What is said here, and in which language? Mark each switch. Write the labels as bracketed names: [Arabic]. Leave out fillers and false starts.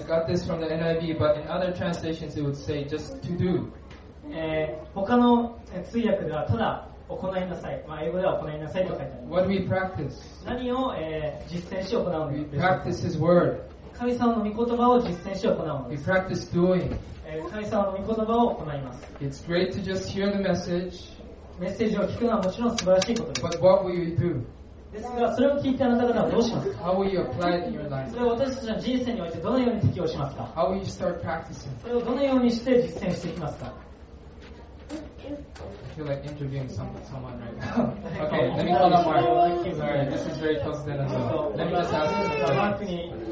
[English] I got this from the NIV, but in other translations it would say just to do. [Japanese] 他の通訳ではただ行いなさい、まあ、英語では行いなさいと書いてあります。 [English] What do we practice? [Japanese] 何を、実践し行うのでしょうか。 [English] We practice His word. [Japanese] 神様の御言葉を実践し行うのです。 [English] We practice doing. [Japanese] 神様の御言葉を行います。 [English] It's great to just hear the message. [Japanese] メッセージを聞くのはもちろん素晴らしいことです。 [English] But what will you do? [Japanese] ですが、それを聞いてあなた方はどうしますか。 [English] How will you apply it in your life? [Japanese] それを私たちの人生においてどのように適用しますか。 [English] How will you start practicing? [Japanese] それをどのようにして実践していきますか。 [English] I feel like interviewing someone right now. Okay, let me call up Mark. Sorry, this is very close to that as well. Let me just ask him.